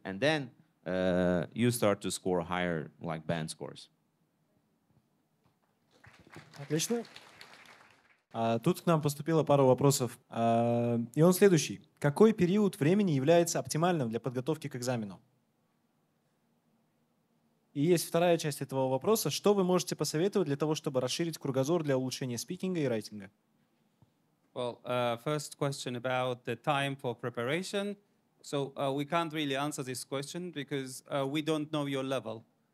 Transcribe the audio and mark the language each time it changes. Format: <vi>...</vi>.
<en>And then you start to score higher, like band scores.</en> <ru>Отлично. Тут к нам поступило пару вопросов. И он следующий. Какой период времени является оптимальным для подготовки к экзамену? И есть вторая часть этого вопроса. Что вы можете посоветовать для того, чтобы расширить кругозор для улучшения спикинга и райтинга?</ru> <en>Well, first question about the time for preparation. So we can't really answer this question because we don't know your level.</en>